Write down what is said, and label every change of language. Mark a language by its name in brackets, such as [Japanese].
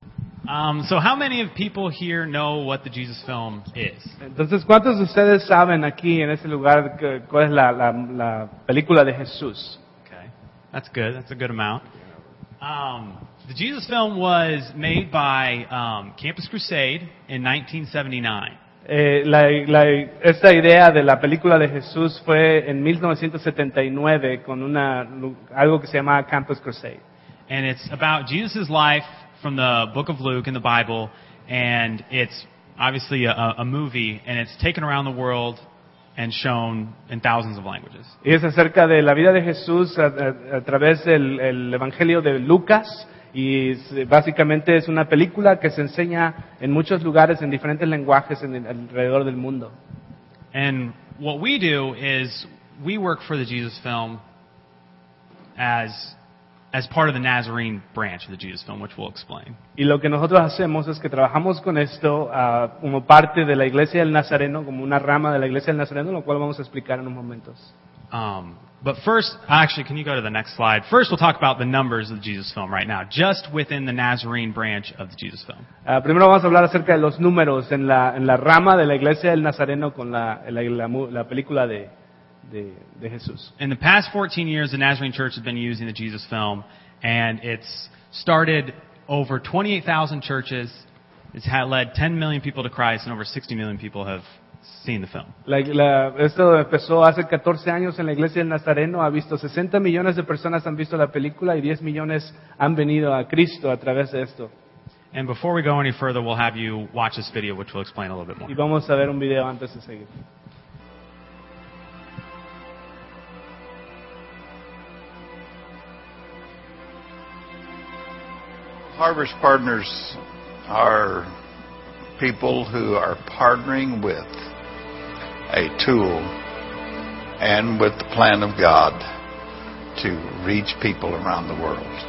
[English] So how many of people here know what the Jesus film is? [Spanish] Entonces, ¿cuántos de ustedes saben aquí en ese lugar cuál es la película de Jesús? [English] Okay. That's good. That's a good amount. The Jesus film was made by Campus Crusade in 1979. [Spanish] Esta idea de la película de Jesús fue en 1979 con algo que se llama Campus Crusade. [English] And it's about Jesus' life from the book of Luke in the Bible, and it's obviously a movie, and it's taken around the world and shown in thousands of languages. [Spanish] Y es acerca de la vida de Jesús a través del el Evangelio de Lucas, y básicamente es una película que se enseña en muchos lugares, en diferentes lenguajes alrededor del mundo. [English] And what we do is we work for the Jesus film as part of the Nazarene branch of the Jesus film, which we'll explain. [Spanish] Y lo que nosotros hacemos es que trabajamos con esto como parte de la Iglesia del Nazareno, como una rama de la Iglesia del Nazareno, lo cual vamos a explicar en unos momentos. [English] But first, actually, can you go to the next slide? First, we'll talk about the numbers of the Jesus film right now, just within the Nazarene branch of the Jesus film. [Spanish] Primero vamos a hablar acerca de los números en la rama de la Iglesia del Nazareno con la película de Jesús. [English] In the past 14 years, the Nazarene Church has been using the Jesus film, and it's started over 28,000 churches. It's had led 10 million people to Christ, and over 60 million people have seen the film. [Spanish] Esto empezó hace 14 años en la Iglesia del Nazareno. Ha visto 60 millones de personas han visto la película y 10 millones han venido a Cristo a través de esto. [English] And before we go any further, we'll have you watch this video, which will explain a little bit more. [Spanish] Y vamos a ver un video antes de seguir. [English] Harvest Partners are people who are partnering with a tool and with the plan of God to reach people around the world.